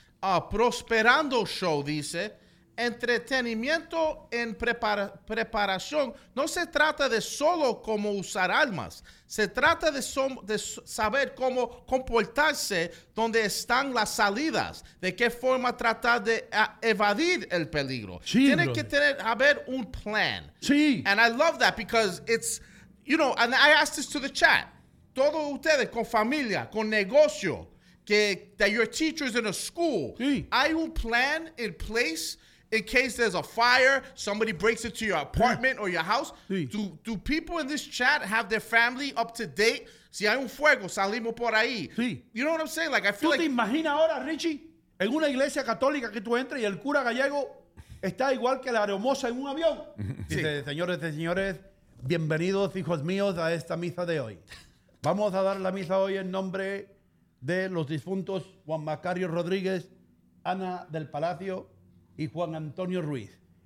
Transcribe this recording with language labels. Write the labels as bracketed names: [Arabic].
[Spanish] Prosperando Show dice, entretenimiento en preparación no se trata de solo cómo usar armas, se trata de saber cómo comportarse, dónde están las salidas, de qué forma tratar de evadir el peligro. Sí, tiene [English] brother. [Spanish] Que tener, haber un plan. Sí. [English] And I love that because it's, you know, and I asked this to the chat, [Spanish] todos ustedes con familia, con negocio, [English] that your teacher is in a school. [Spanish] Sí. Hay un plan [English] in place in case there's a fire, somebody breaks into your apartment or your house. [Spanish] Sí. [English] Do people in this chat have their family up to date [Spanish] Si hay un fuego, salimos por ahí. Sí. [English] You know what I'm saying? Like, I feel like... [Spanish] te imaginas ahora, Richie, en una iglesia católica que tú entres y el cura gallego está igual que la aeromoza en un avión? Sí. Dice, señores y señores, bienvenidos, hijos míos, a esta misa de hoy. Vamos a dar la misa hoy en nombre de los difuntos Juan Macario Rodríguez, Ana del Palacio y Juan Antonio Ruiz.